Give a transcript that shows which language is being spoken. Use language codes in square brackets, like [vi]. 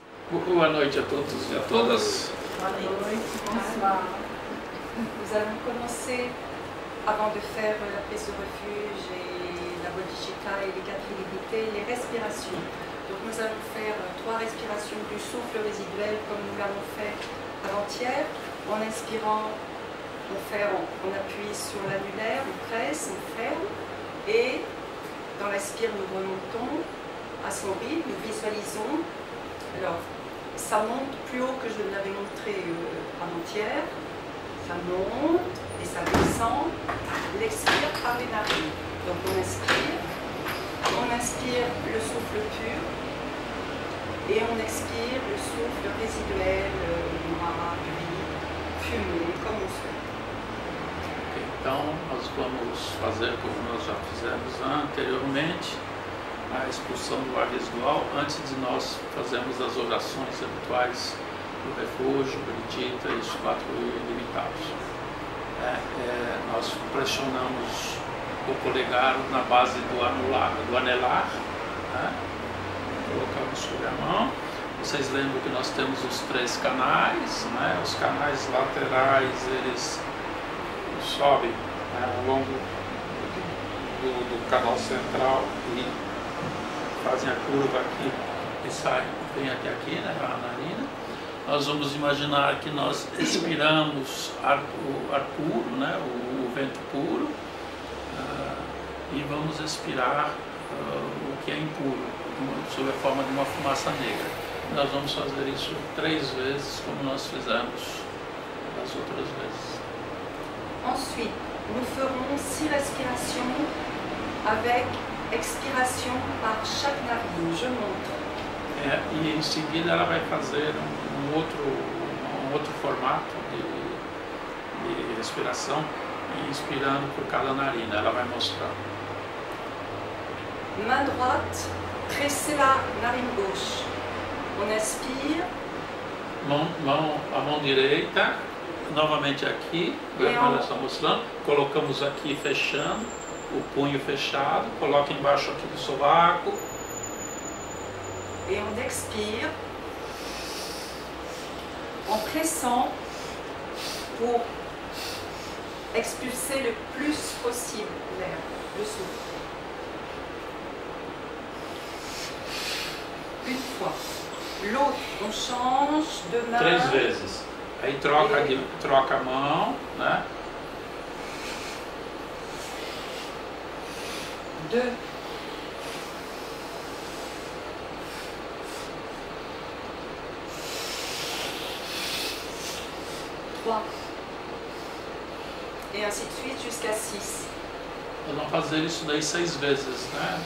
[pt] Boa noite a todos e a todas. Boa noite, [fr] bonsoir. Nous allons commencer avant de faire la paix sur refuge et la bodhicitta et les quatre libertés, les respirations. Donc nous allons faire trois respirations du souffle résiduel comme nous l'avons fait avant-hier. En inspirant, on appuie sur l'annulaire, on presse, on ferme. Et dans l'expire, nous remontons à son rythme, nous visualisons. Alors, ça monte plus haut que je ne l'avais montré avant-hier. Ça monte et ça descend. L'expire par les narines. Donc on inspire le souffle pur. Et on expire le souffle résiduel, noir, gris, fumé, comme on souhaite. [pt] Então, nós vamos fazer como nós já fizemos anteriormente, a expulsão do ar residual, antes de nós fazermos as orações habituais do refúgio, bodhicitta e os quatro ilimitados. Nós pressionamos o polegar na base do anular, colocamos sobre a mão. Vocês lembram que nós temos os três canais, né? Os canais laterais, eles sobe ao longo do canal central e fazem a curva aqui e saem bem até aqui, né, a narina. Nós vamos imaginar que nós expiramos ar puro, né, o vento puro, e vamos expirar o que é impuro, sob a forma de uma fumaça negra. Nós vamos fazer isso três vezes, como nós fizemos as outras vezes. [fr] Ensuite, nous ferons six respirations avec expiration par chaque narine. Je montre. Et en seguida, elle va faire un autre format de respiration, inspirant pour chaque narine. Elle va montrer. Main droite, pressez la narine gauche. On inspire. Main droite. [pt] Novamente aqui, olha só mostrando, colocamos aqui fechando, o punho fechado, coloca embaixo aqui do sovaco. [fr] E on expire, en pressant, pour expulser le plus possible l'air, le souffle. Une fois. L'autre, on change de main. [pt] Três vezes. Aí troca a mão, né? [fr] Deux. Trois. [pt] E assim [fr] de suite, jusqu'à six. [pt] Vamos fazer isso daí seis vezes, né?